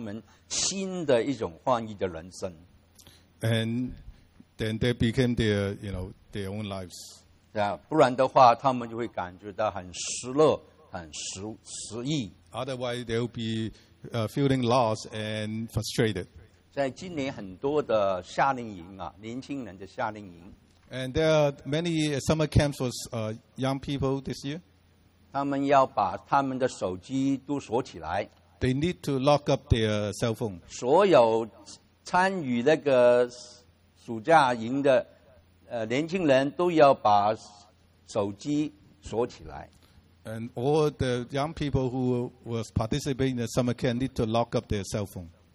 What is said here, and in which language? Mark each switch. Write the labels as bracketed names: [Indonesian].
[Chinese] 所以在这个话语里面成为他们新的一种话语的人生。 [English] And then they became their, you know, their own lives. [Chinese] 不然的话他们就会感觉到很失落。 [English] Otherwise, they will be feeling lost and frustrated. [Chinese] 在今年很多的夏令营啊, 年轻人的夏令营, [English] and there are many summer camps for young people this year. [Chinese] 他们要把他们的手机都锁起来, [English] they need to lock up their cell phone. [Chinese] 所有参与那个暑假营的, 年轻人都要把手机锁起来。 [English] And all the young people who was participating in the summer camp need to lock up their cell phone.